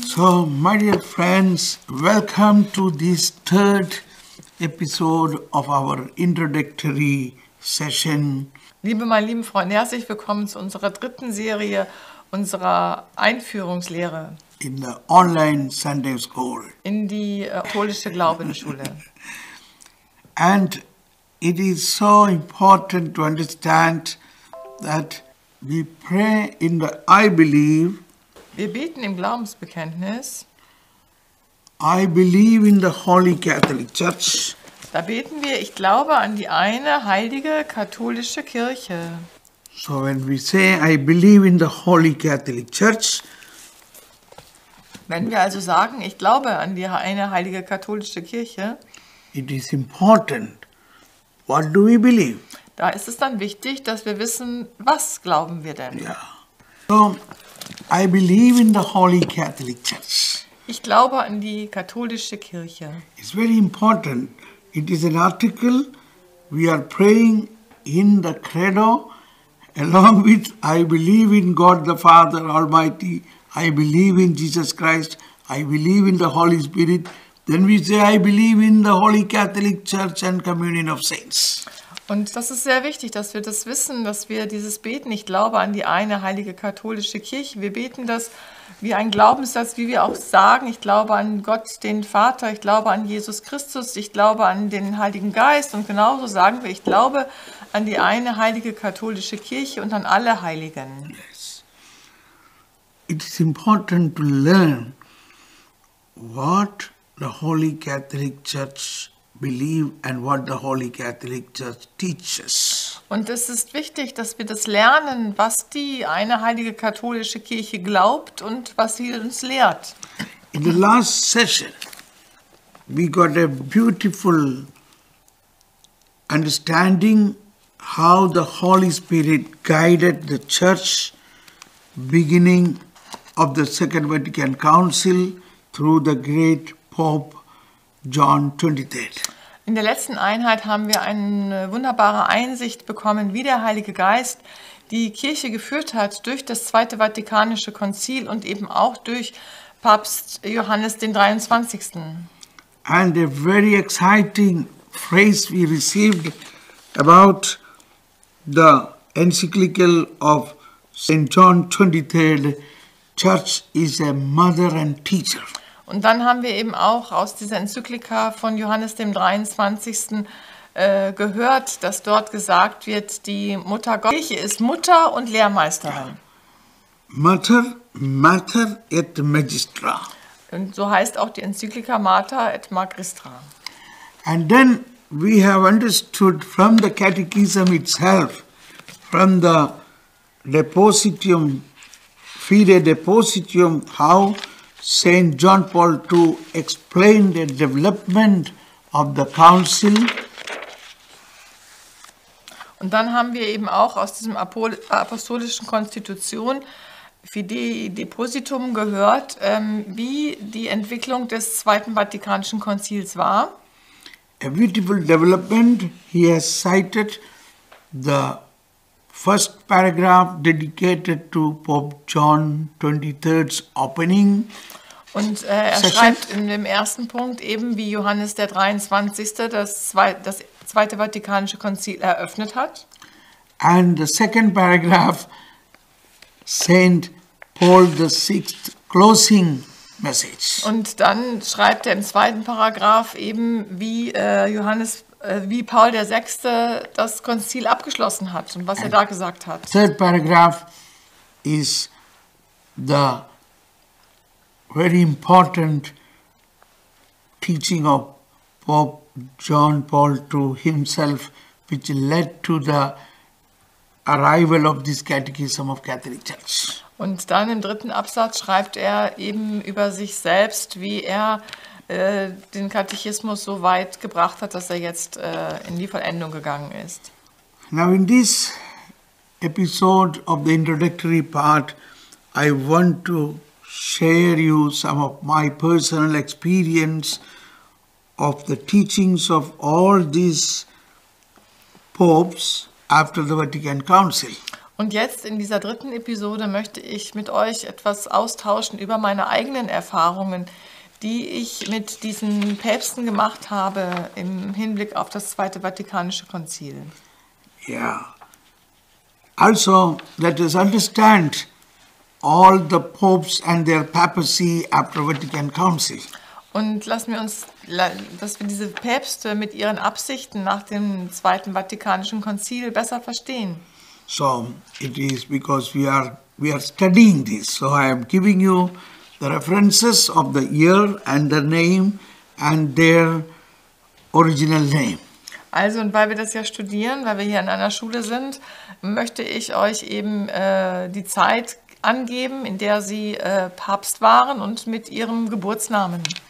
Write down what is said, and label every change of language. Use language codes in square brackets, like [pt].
[en] So, my dear friends, welcome to this third episode of our introductory session. [de] Liebe, meine lieben Freunde, herzlich willkommen zu unserer dritten Serie unserer Einführungslehre [en] in the online Sunday school. [de] In die katholische Glaubensschule. [en] And it is so important to understand that we pray in the I believe. [de] Wir beten im Glaubensbekenntnis. [en] I believe in the Holy Catholic Church. [de] Da beten wir, ich glaube an die eine heilige katholische Kirche. [en] So when we say I believe in the Holy Catholic Church, [de] wenn wir also sagen, ich glaube an die eine heilige katholische Kirche, [en] it is important. What do we believe? [de] Da ist es dann wichtig, dass wir wissen, was glauben wir denn? Ja. [en] So I believe in the Holy Catholic Church. [de] Ich glaube an die katholische Kirche. [en] It's very important. It is an article we are praying in the Credo along with I believe in God the Father Almighty, I believe in Jesus Christ, I believe in the Holy Spirit. Then we say I believe in the Holy Catholic Church and Communion of Saints. [de] Und das ist sehr wichtig, dass wir das wissen, dass wir dieses Beten, ich glaube an die eine heilige katholische Kirche, wir beten das wie ein Glaubenssatz, wie wir auch sagen, ich glaube an Gott, den Vater, ich glaube an Jesus Christus, ich glaube an den Heiligen Geist und genauso sagen wir, ich glaube an die eine heilige katholische Kirche und an alle Heiligen. [en] Yes. It is important to learn what the Holy Catholic Church believe and what the Holy Catholic Church teaches. [de] Und es ist wichtig, dass wir das lernen, was die eine heilige katholische Kirche glaubt und was sie uns lehrt. [en] In the last session, we got a beautiful understanding how the Holy Spirit guided the church beginning of the Second Vatican Council through the great Pope John 23rd. [de] In der letzten Einheit haben wir eine wunderbare Einsicht bekommen, wie der Heilige Geist die Kirche geführt hat durch das Zweite Vatikanische Konzil und eben auch durch Papst Johannes den 23. [en] And a very exciting phrase we received about the encyclical of St. John 23rd, Church is a mother and teacher. [de] Und dann haben wir eben auch aus dieser Enzyklika von Johannes dem 23. Gehört, dass dort gesagt wird, die Mutter Gottes ist Mutter und Lehrmeisterin. [la] Mater, Mater et Magistra. [de] Und so heißt auch die Enzyklika Mater et Magistra. [en] And then we have understood from the catechism itself, from the depositum, fide depositum, how Saint John Paul II explained the development of the Council. [de] Und dann haben wir eben auch aus diesem apostolischen Konstitution Fidei Depositum gehört, wie die Entwicklung des Zweiten Vatikanischen Konzils war. [en] A beautiful development. He has cited the first paragraph dedicated to Pope John 23rd's opening. [de] Und er session. Schreibt in dem ersten Punkt eben, wie Johannes der 23. das Zweite Vatikanische Konzil eröffnet hat. [en] And the second paragraph, Saint Paul the 6th closing message. [de] Und dann schreibt er im zweiten Paragraph eben, wie Johannes, wie Paul der 6. das Konzil abgeschlossen hat und was and er da gesagt hat. [en] Third paragraph is the very important teaching of Pope John Paul II himself, which led to the arrival of this Catechism of Catholic Church. [de] Und dann im dritten Absatz schreibt er eben über sich selbst, wie er den Katechismus so weit gebracht hat, dass er jetzt in die Vollendung gegangen ist. [en] Now in this episode of the introductory part, I want to share you some of my personal experience of the teachings of all these popes after the Vatican Council. [de] Und jetzt in dieser dritten Episode möchte ich mit euch etwas austauschen über meine eigenen Erfahrungen, die ich mit diesen Päpsten gemacht habe im Hinblick auf das Zweite Vatikanische Konzil. Ja. [en] Also, let us understand all the popes and their papacy after Vatican Council. [de] Und lassen wir uns, dass wir diese Päpste mit ihren Absichten nach dem Zweiten Vatikanischen Konzil besser verstehen. [en] So, it is because we are studying this. So I am giving you the references of the year and the name and their original name. [de] Also, und weil wir das ja studieren, weil wir hier in einer Schule sind, möchte ich euch eben die Zeit angeben, in der sie Papst waren und mit ihrem Geburtsnamen.